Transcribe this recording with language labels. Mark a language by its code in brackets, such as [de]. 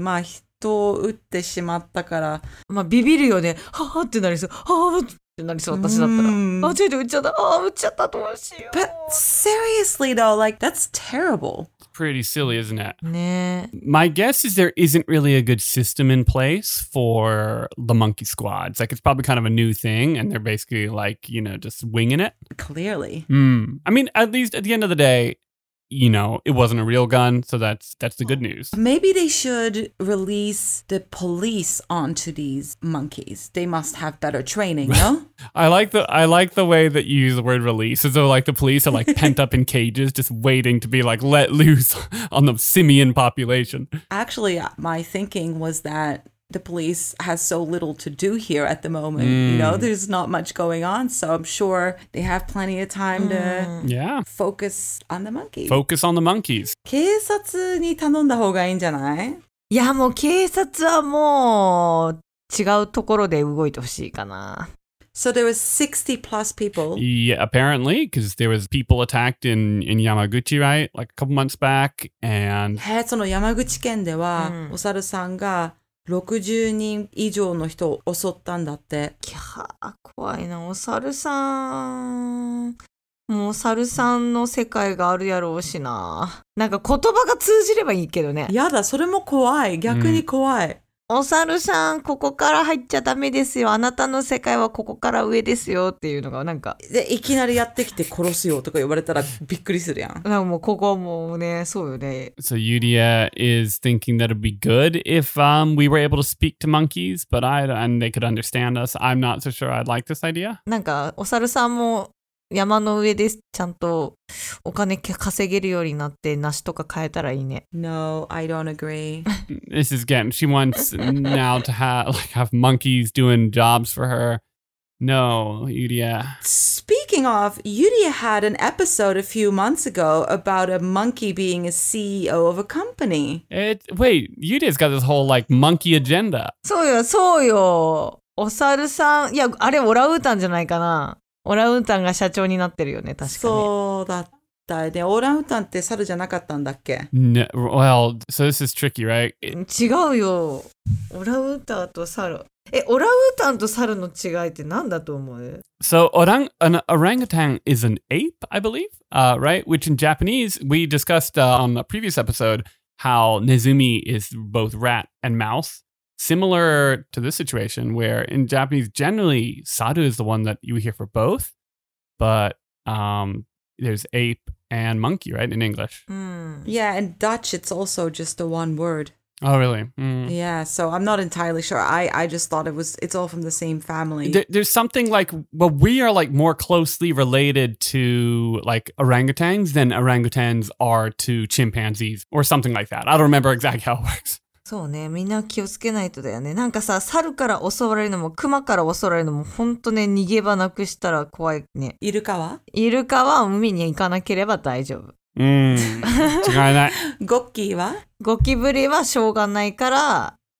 [ja] まあ人を撃ってしまったから。まあビビるよね。はあってなりそう。はあってなりそう私だったら。あ、ついで撃っちゃった。ああ撃っちゃったどうしよう。 [en] But seriously though, like that's terrible. Pretty silly, isn't it? Nah. My guess is there isn't really a good system in place for the monkey squads. Like, it's probably kind of a new thing, and they're basically, like, you know, just winging it. Clearly. I mean, at least at the end of the day, you know, it wasn't a real gun, so that's the good news. Maybe they should release the police onto these monkeys. They must have better training, no? I like the way that you use the word release, as though, like, the police are, like, pent up in cages, just waiting to be, like, let loose on the simian population. Actually, my thinking was that the police has so little to do here at the moment. You know, there's not much going on, so I'm sure they have plenty of time to focus on the monkeys. Focus on the monkeys. [ja] 警察に頼んだ方がいいんじゃない？いや、もう警察はもう違うところで動いてほしいかな。 [en] So there was 60 plus people. Yeah, apparently, because there was people attacked in Yamaguchi, right? Like a couple months back, and... [ja] へ、その山口県では、お猿さんが60人以上の人を襲ったんだって。キャー、怖いな、お猿さん。もうお猿さんの世界があるやろうしな。なんか言葉が通じればいいけどね。やだ、それも怖い。逆に怖い。お猿さん、ここから入っちゃダメですよ。あなたの世界はここから上ですよっていうのがなんか。で、いきなりやってきて殺すよとか言われたらびっくりするやん。なんかもうここもうね、そうよね。 [en] So Yuria is thinking that it'd be good if we were able to speak to monkeys, but and they could understand us. I'm not so sure I'd like this idea. [ja] なんかお猿さんも山の上でちゃんとお金稼げるようになって梨とか買えたらいいね。 [en] No, I don't agree. This is getting... She wants now to have monkeys doing jobs for her. No, Yuria. Speaking of, Yuria had an episode a few months ago about a monkey being a CEO of a company. Wait, Yuria's got this whole, like, monkey agenda. [ja] そうよ、そうよ。お猿さん、いや、あれオラウータンじゃないかな。オランウータンが社長になってるよね、確かに。そうだった。で、オランウータンって猿じゃなかったんだっけ？ [en] No, well, so this is tricky, right? [ja] 違うよ。オランウータンと猿。え、オランウータンと猿の違いって何だと思う？ [en] So, an orangutan is an ape, I believe, right? Which in Japanese, we discussed on a previous episode how Nezumi is both rat and mouse. Similar to this situation, where in Japanese, generally, saru is the one that you hear for both, but there's ape and monkey, right, in English. Yeah, in Dutch, it's also just the one word. Oh, really? Yeah, so I'm not entirely sure. I just thought it's all from the same family. There's something like, well, we are like more closely related to like orangutans than orangutans are to chimpanzees or something like that. I don't remember exactly how it works. [ja] そうね、みんな気をつけないとだよね。なんかさ、猿から襲われるのも、熊から襲われるのも、ほんとね、逃げ場なくしたら怖いね。イルカは？イルカは海に行かなければ大丈夫。違いない。ゴッキーは？ゴキブリはしょうがないから、